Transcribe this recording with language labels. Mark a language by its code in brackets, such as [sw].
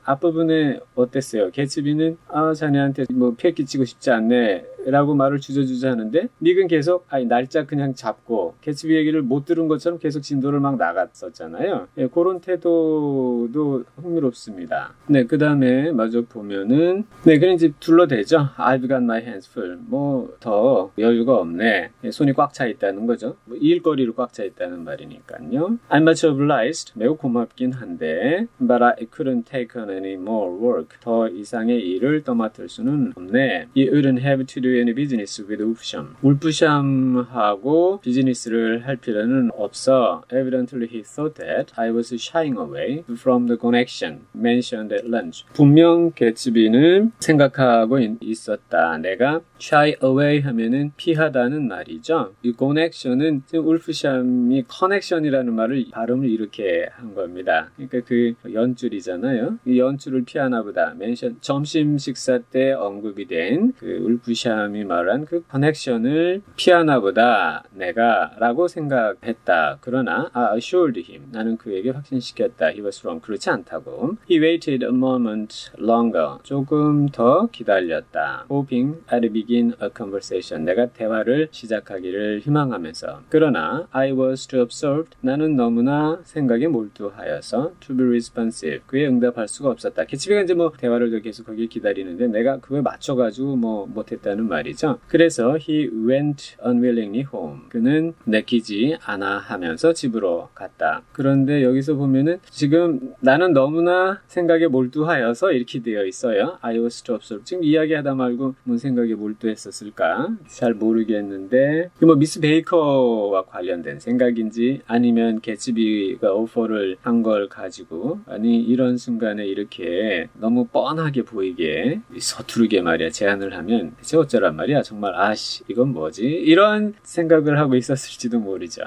[ko] 앞부분에 어땠어요? 개츠비는 아 자네한테 뭐 패기 치고 싶지 않네라고 말을 주저주저하는데 닉은 계속 아니 날짜 그냥 잡고 개츠비 얘기를 못 들은 것처럼 계속 진도를 막 나갔었잖아요. 예, 그런 태도도 흥미롭습니다. 네, 그 다음에 마저 보면은 네, 그냥 이제 둘러대죠. [en] I've got my hands full. [ko] 뭐, 더 여유가 없네. 예, 손이 꽉차 있다는 거죠. 뭐, 일거리를 꽉차 있다는 말이니까요. [en] I'm much obliged. [ko] 매우 고맙긴 한데 [en] But I couldn't take on any more work. [ko] 더 이상의 일을 떠맡을 수는 없네. [en] You wouldn't have to do any business with Upsham. [ko] 울프샴하고 비즈니스를 할 필요는 없어. [en] Evidently he thought that I was shying away from the connection mentioned at lunch. [ko] 분명 개츠비는 생각하고 있었다. 내가 shy away 하면은 피하다는 말이죠. 이 connection은 지금 울프샴이 connection이라는 말을 발음을 이렇게 한 겁니다. 그러니까 그 연줄이잖아요. 이 연줄을 피하나 보다. mention 점심 식사 때 언급이 된그 울프샴이 말한 그 connection을 피하나 보다. 내가라고 생각했다. 그러나 [en] I assured him [ko] 나는 그에게 확신시켰다. [en] He was wrong. [ko] 그렇지 않다고. [en] He waited a moment longer. [ko] 조금 더 기다렸다. [en] Hoping I'd begin a conversation. [ko] 내가 대화를 시작하기를 희망하면서. 그러나 [en] I was too absorbed. [ko] 나는 너무나 생각에 몰두하여서 [en] to be responsive. [ko] 그에 응답할 수가 없었다. 개츠비가 이제 뭐 대화를 계속 거기 기다리는데 내가 그에 맞춰가지고 뭐 못했다는 말이죠. 그래서 [en] he went unwillingly home. [ko] 그는 내키지 않아 하면서 집으로 갔다. 그런데 여기서 보면은 지금 나는 너무나 생각에 몰두하여서 이렇게 되어 있어요. [en] I was too absorbed. [ko] 지금 이야기하다 말고 무슨 생각에 몰두했었을까? 잘 모르겠는데 이게 뭐 미스 베이커와 관련된 생각인지 아니면 개츠비가 오퍼를 한걸 가지고 아니 이런 순간에 이렇게 너무 뻔하게 보이게 서투르게 말이야 제안을 하면 대체 어쩌란 말이야? 정말 아씨 이건 뭐지? 이런 생각을 하고 있었을지도 모르죠.